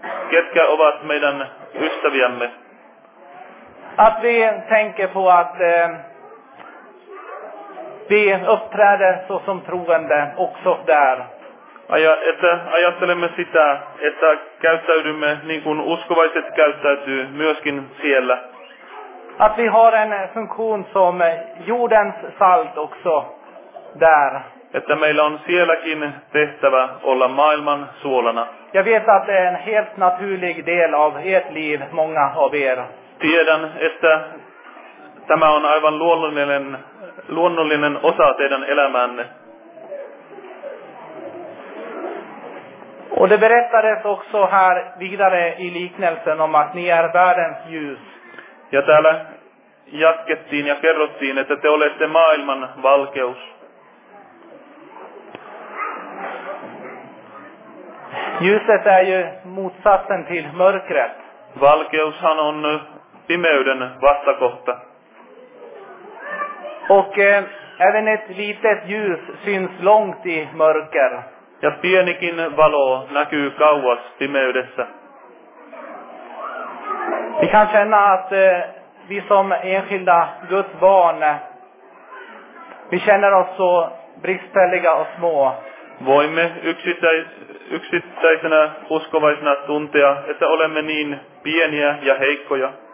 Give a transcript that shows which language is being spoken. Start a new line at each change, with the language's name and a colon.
Finnish: Ketkä ovat meidän ystäviämme?
Swedish: Att vi tänker på att vi uppträder så som troende också där.
Finnish: Ajattelemme sitä, että käyttäydymme niin kuin uskovaiset käyttäytyy myöskin siellä.
Swedish: Att vi har en funktion som jordens salt också där.
Finnish: Että meillä on sielläkin tehtävä olla maailman suolana.
Swedish: Jag vet att det är en helt naturlig del av ert liv, många av er.
Finnish: Tiedän, että tämä on aivan luonnollinen osa teidän elämäänne.
Swedish: Och det berättades också här vidare i liknelsen om att ni är världens ljus.
Finnish: Ja täällä jatkettiin ja kerrottiin, että te olette maailman valkeus.
Swedish: Ljuset är ju motsatsen till mörkret.
Finnish: Valkeushan on pimeyden vastakohta.
Swedish: Och även ett litet ljus syns långt i mörker.
Finnish: Ja pienikin valo näkyy kauas pimeydessä.
Swedish: Vi kan känna att vi som enskilda Guds barn, vi känner oss så bristfälliga och små.
Finnish: Voimme yksittäisenä uskovaisena tuntea, että olemme niin pieniä ja heikkoja.